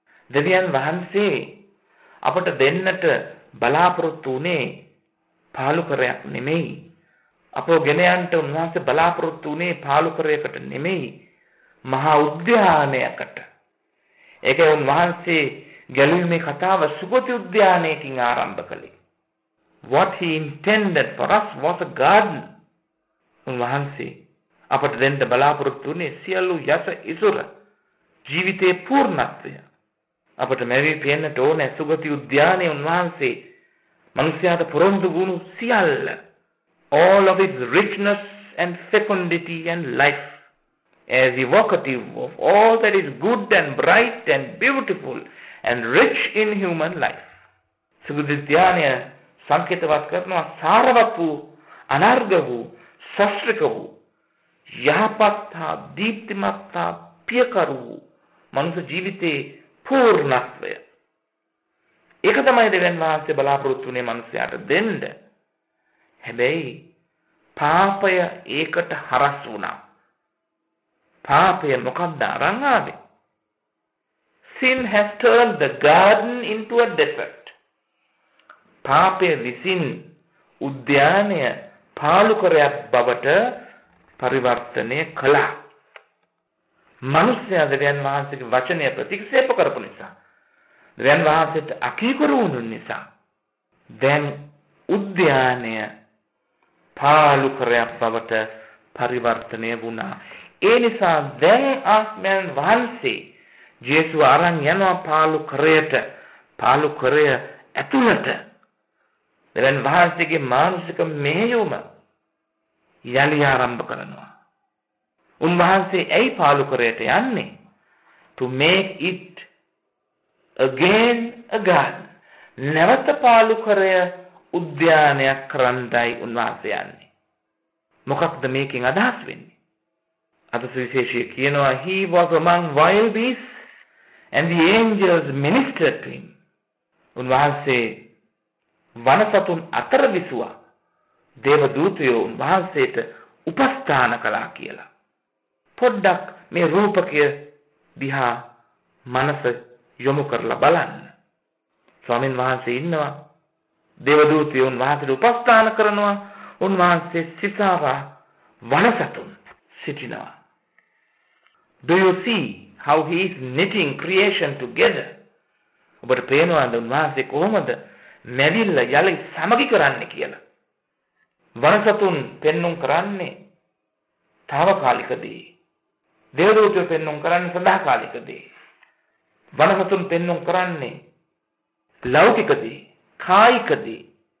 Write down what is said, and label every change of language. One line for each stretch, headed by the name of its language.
Sinhala: දෙවියන් වහන්සේ අපට දෙන්නට බලාපොරොත්තු වුණේ පාලුකරයක් නෙමෙයි. අපව ගෙනයන්ට උන්වහන්සේ බලාපොරොත්තු වුණේ පාලුකරයකට නෙමෙයි, මහා උද්‍යානයකට. ඒකයි උන්වහන්සේ ගැලුමේ කතාව සුගති උද්‍යානයකින් ආරම්භ කළේ.
English: What he intended for us was a garden.
Sinhala: උන්වහන්සේ අපට දෙන්න බලාපොරොත්තු වුණේ සියලු යස ඉසුර ජීවිතේ පූර්ණත්වය. අපට මෙවි පේන්න ඕන සුගති උද්‍යානයේ උන්වහන්සේ මිනිසයාට පුරොන්දු වුණු සියල්ල,
English: all of its richness and fecundity and life, as evocative of all that is good and bright and beautiful and rich in human life.
Sinhala: සුගති උද්‍යානය සංකේතවත් කරනවා සාරවත් වූ, අනර්ග වූ, සස්ත්‍රික වූ, යහපත් හා දීප්තිමත් හා පියකරු වූ මනුස ජීවිතයේ පූර්ණත්වය. ඒක තමයි දෙවියන් වහන්සේ බලාපොරොත්තු වුණේ මිනිසයාට දෙන්න. හැබැයි පාපය ඒකට හරස් වුණා. පාපය මොකද්ද අරන් ආවේ?
English: Sin has turned the garden into a desert.
Sinhala: පාපය විසින් උද්‍යානය පාලුකරයක් බවට පරිවර්තනය කළා. මනුෂ්‍යයා දෙවියන් වහන්සේගේ වචනය ප්‍රතික්ෂේප කරපු නිසා, දෙවියන් වහන්සේට අකීකරු වුණු නිසා, දැන් උද්‍යානය පාලුකරයක් බවට පරිවර්තනය වුණා. ඒ නිසා දැන් ආත්මයන් වහන්සේ ජේසු අරන් යනවා පාලුකරයට. පාලුකරය ඇතුළත දෙවියන් වහන්සේගේ මානසික මෙහෙයුම යළි ආරම්භ කරනවා. උන්වහන්සේ ඇයි පාලුකරයට යන්නේ?
English: To make it again a garden.
Sinhala: නැවත පාලුකරය උද්‍යානයක් කරන්නයි උන්වහන්සේ යන්නේ. මොකක්ද මේකෙන් අදහස් වෙන්නේ? අද සුවිශේෂය කියනවා,
English: He was among wild beasts and the angels ministered to him.
Sinhala: උන්වහන්සේ වනසතුන් අතර විසුවා. දේව දූතයෝ උන්වහන්සේට උපස්ථාන කළා කියලා. පොඩ්ඩක් මේ රූපකය දිහා මනස යොමු කරලා බලන්න. ස්වාමින් වහන්සේ ඉන්නවා. දේවදූතයෝ උන්වහන්සේට උපස්ථාන කරනවා. උන්වහන්සේ සිතාරා වනසතුන් සිටිනවා.
English: Do you see how he is knitting creation together?
Sinhala: ඔබට පේනවාද උන්වහන්සේ කොහොමද මැවිල්ල යල සමගි කරන්නේ කියලා? වනසතුන් පෙන්නුම් කරන්නේ තාවකාලිකදී. දේවදූතයෝ පෙන්නුම් කරන්නේ සදාකාලිකදී. වනසතුන් පෙන්නුම් කරන්නේ ලෞකිකදී, කායිකදී.